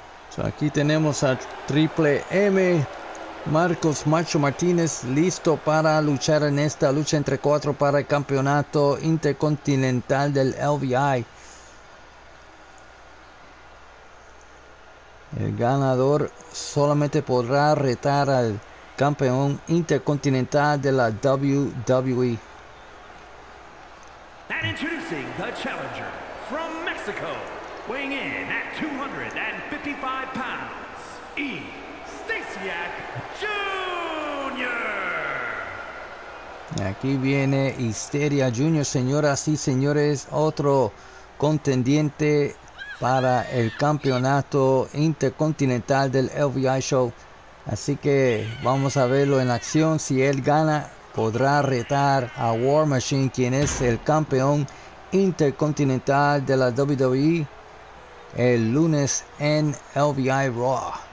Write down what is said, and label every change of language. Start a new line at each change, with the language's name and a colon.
Spanish: So aquí tenemos a Triple M, Marcos Macho Martinez, listo para luchar en esta lucha entre cuatro para el campeonato intercontinental del LVI. El ganador solamente podrá retar al campeón intercontinental de la WWE.
English: And introducing the challenger from Mexico, weighing in at 255 pounds, Eustaciak Jr.
Spanish: Aquí viene Histeria Jr., señoras y señores, otro contendiente para el campeonato intercontinental del LVI Show. Así que vamos a verlo en acción. Si él gana, podrá retar a War Machine, quien es el campeón intercontinental de la WWE, el lunes en LVI Raw.